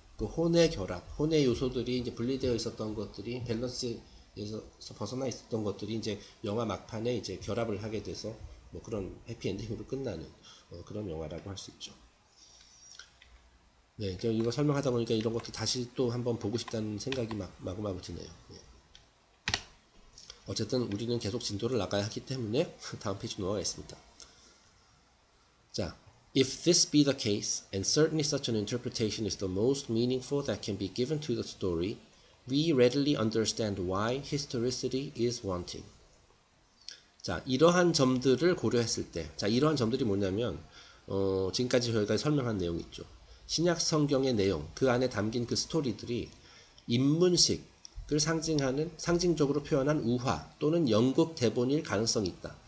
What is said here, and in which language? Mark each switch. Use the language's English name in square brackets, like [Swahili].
[Korean] 그 혼의 결합, 혼의 요소들이 이제 분리되어 있었던 것들이 밸런스에서 벗어나 있었던 것들이 이제 영화 막판에 이제 결합을 하게 돼서 뭐 그런 해피엔딩으로 끝나는 그런 영화라고 할수 있죠. 네, 제가 이거 설명하다 보니까 이런 것도 다시 또 한번 보고 싶다는 생각이 마구마구 드네요. 어쨌든 우리는 계속 진도를 나가야 하기 때문에 다음 페이지 넘어가겠습니다. 자. [English] If this be the case, and certainly such an interpretation is the most meaningful that can be given to the story, we readily understand why historicity is wanting. [Korean] 자, 이러한 점들을 고려했을 때, 자, 이러한 점들이 뭐냐면, 지금까지 저희가 설명한 내용 있죠. 신약 성경의 내용, 그 안에 담긴 그 스토리들이 인문식, 을 상징하는 상징적으로 표현한 우화 또는 연극 대본일 가능성이 있다.